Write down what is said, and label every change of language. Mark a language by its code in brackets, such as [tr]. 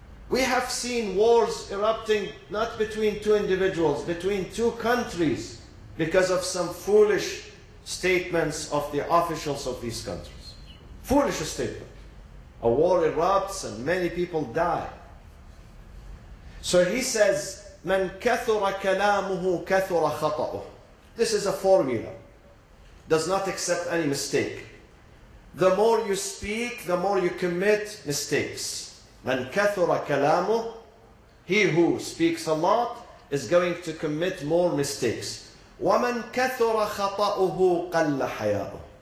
[en] We have seen wars erupting not between two individuals, between two countries, because of some foolish statements of the officials of these countries. Foolish statement. A war erupts and many people die. So he says, [ar] من كثر كلامه كثر خطأه. [en] This is a formula. Does not accept any mistake. The more you speak, the more you commit mistakes. [ar] من كثر كلامه, [en] he who speaks a lot is going to commit more mistakes. [ar] ومن كثر خطأه قل حياؤه.